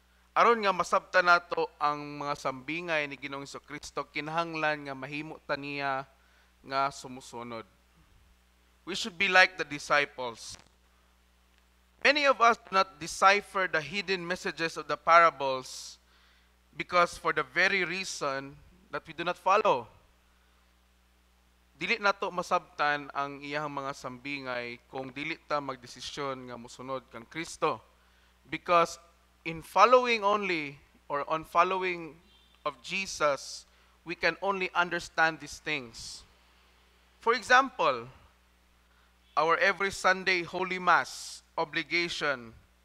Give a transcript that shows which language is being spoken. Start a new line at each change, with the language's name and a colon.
Cebuano: Aron nga masabtan nato ang mga sambingay ni Ginoong Kristo, kinahanglan nga mahimo ta niya nga sumusunod.
English: We should be like the disciples. Many of us do not decipher the hidden messages of the parables because for the very reason that we do not follow.
Cebuano: Dili nato masabtan ang iyang mga sambingay kung dili ta magdesisyon nga musunod kang Kristo.
English: Because in following only or on following of Jesus, we can only understand these things. For example, our every Sunday Holy Mass obligation.